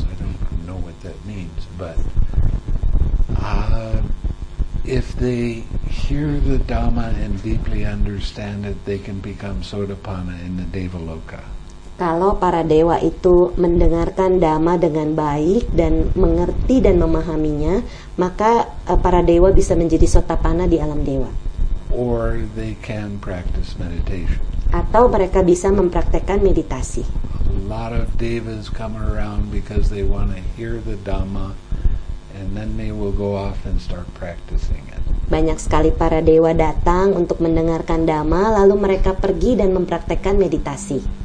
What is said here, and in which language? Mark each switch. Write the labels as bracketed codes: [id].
[en] I don't know what that means, but if they hear the Dhamma and deeply understand it, they can become Sotapanna in the Devaloka. [id] Kalau para dewa itu mendengarkan Dhamma dengan baik dan mengerti dan memahaminya, maka para dewa bisa menjadi Sotapanna di alam dewa. [en] Or they can practice meditation. [id] Atau mereka bisa mempraktekkan meditasi. [en] A lot of devas come around because they want to hear the Dhamma, and then they will go off and start practicing it. [id] Banyak sekali para dewa datang untuk mendengarkan Dhamma, lalu mereka pergi dan mempraktekkan meditasi.